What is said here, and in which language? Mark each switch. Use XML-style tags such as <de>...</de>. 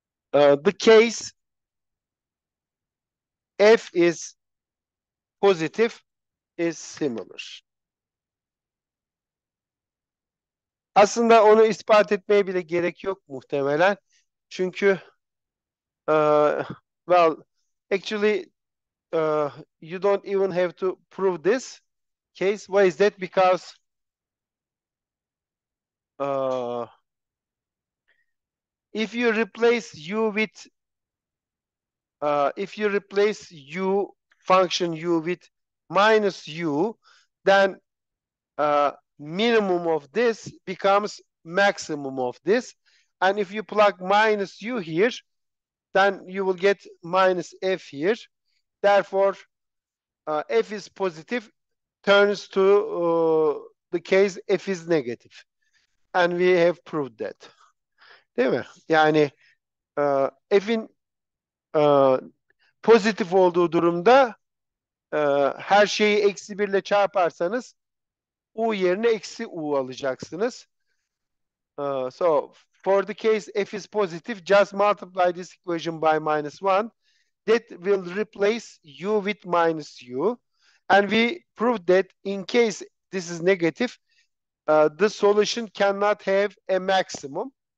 <en>the case f is positive is similar.</en> <tr>Aslında onu ispat etmeye bile gerek yok muhtemelen. Çünkü</tr> <en>well, actually you don't even have to prove this case. Why is that? Because if you replace u with if you replace u function u with minus u, then minimum of this becomes maximum of this, and if you plug minus u here, then you will get minus f here. Therefore f is positive turns to the case f is negative, and we have proved that.</en> <tr>Değil mi? Yani f'in pozitif olduğu durumda her şeyi eksi 1 ile çarparsanız u yerine eksi u alacaksınız.</tr> <en>So for the case f is positive, just multiply this equation by minus 1. That will replace u with minus u. And we proved that in case this is negative, the solution cannot have a maximum.</en>